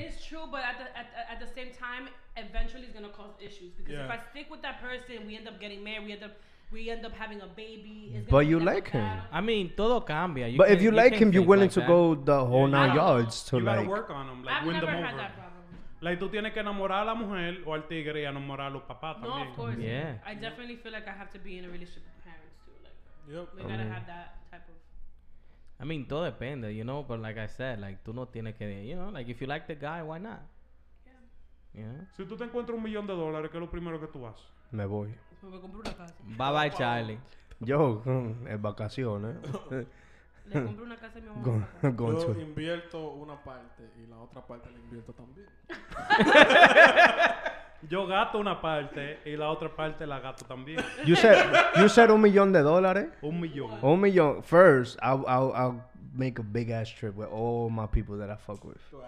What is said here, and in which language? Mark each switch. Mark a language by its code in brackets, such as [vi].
[en] It's true, but at the same time, eventually it's gonna cause issues. Because if I stick with that person, we end up getting married, we end up having a baby. But you like him. I mean, [es] todo cambia. [en] But if you like him, you're willing to go the whole nine yards to, like... You gotta work on him. Like, win them over. I've never had that problem. [es] Like, tú tienes que enamorar a la mujer o al tigre y enamorar a los papás también. [en] No, of course. Yeah. I definitely feel like I have to be in a relationship with parents, too. Like, gotta have that type of... I mean, [es] todo depende, [en] you know? But like I said, like, [es] tú no tienes que... [en] You know, like, if you like the guy, why not? Yeah. Yeah. [es] Si tú te encuentras $1,000,000, ¿qué es lo primero que tú haces? Me voy. Me compro una casa. [en] Bye-bye, Charlie. [es] Yo, en vacaciones. Le compro una casa a mi mamá. Yo invierto una parte y la otra parte la invierto también. Yo gasto una parte y la otra parte la gasto también. [en] You said $1,000,000? $1,000,000. $1,000,000. First, I'll make a big ass trip with all my people that I fuck with.